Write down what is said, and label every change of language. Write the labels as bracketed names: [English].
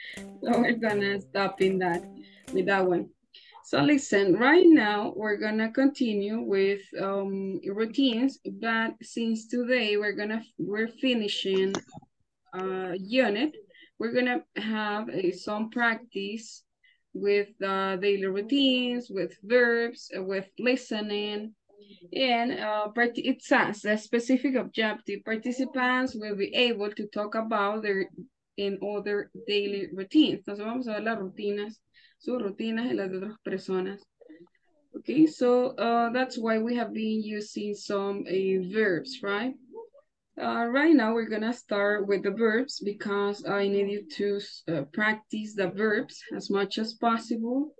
[English] So we're gonna stop in that with that one. So listen, right now we're gonna continue with routines, but since today we're finishing a unit, we're gonna have some practice with daily routines, with verbs, with listening, and it says a specific objective. Participants will be able to talk about their in other daily routines. [Spanish] Entonces vamos a ver las rutinas, sus rutinas y las de otras personas. [English] Okay, so that's why we have been using some verbs, right? Right now, we're gonna start with the verbs because I need you to practice the verbs as much as possible.